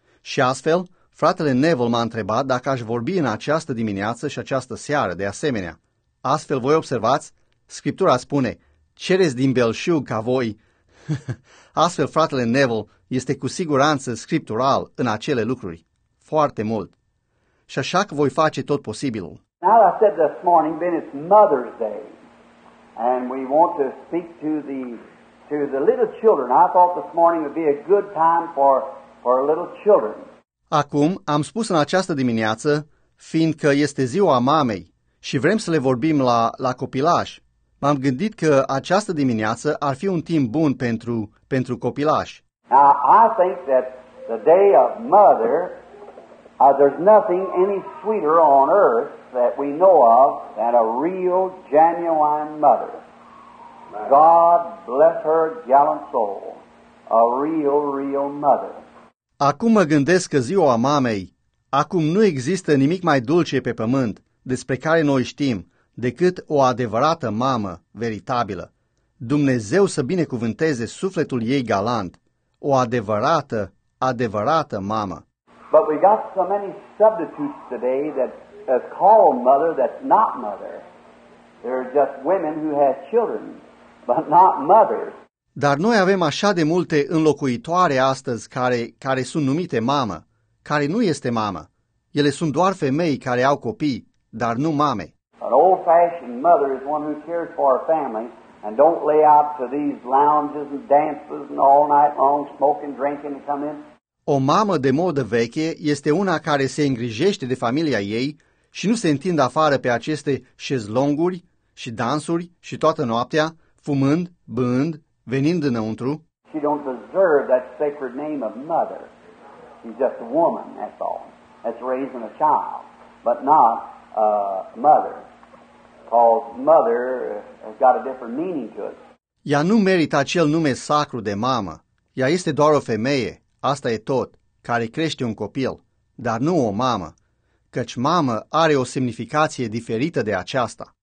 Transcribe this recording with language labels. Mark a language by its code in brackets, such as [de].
[ro] Și astfel, fratele Neville m-a întrebat dacă aș vorbi în această dimineață și această seară de asemenea. Astfel, voi observați, Scriptura spune, cereți din belșug ca voi. Astfel, fratele Neville este cu siguranță scriptural în acele lucruri. Foarte mult. Și așa că voi face tot posibilul. [en] Now, I said this morning, then it's Mother's Day, and we want to speak to the little children. I thought this morning would be a good time for little children. [ro] Acum am spus în această dimineață, fiindcă este ziua mamei și vrem să le vorbim la copilași, m-am gândit că această dimineață ar fi un timp bun pentru copilași. [en] Now, I think that the day of mother, there's nothing any sweeter on earth that we know of than a real, genuine mother. God bless her gallant soul, a real, real mother. [ro] Acum mă gândesc că ziua mamei, acum nu există nimic mai dulce pe pământ despre care noi știm decât o adevărată mamă veritabilă. Dumnezeu să binecuvânteze sufletul ei galant, o adevărată, adevărată mamă. [en] But we got so many substitutes today that call mother that's not mother. There are just women who have children, but not mothers. [ro] Dar noi avem așa de multe înlocuitoare astăzi care sunt numite mamă, care nu este mamă. Ele sunt doar femei care au copii, dar nu mame. [en] An old-fashioned mother is one who cares for her family and don't lay out to these lounges and dances and all night long smoking, drinking and come in. [ro] O mamă de modă veche este una care se îngrijește de familia ei și nu se întinde afară pe aceste șezlonguri și dansuri și toată noaptea, fumând, băând, venind înăuntru. [en] She don't deserve that sacred name of mother. She's just a woman, that's all. That's raising a child, but not a mother. Because mother has got a different meaning to it. [ro] Ea nu merită acel nume sacru de mamă. Ea este doar o femeie, asta e tot, care crește un copil, dar nu o mamă, căci mamă are o semnificație diferită de aceasta.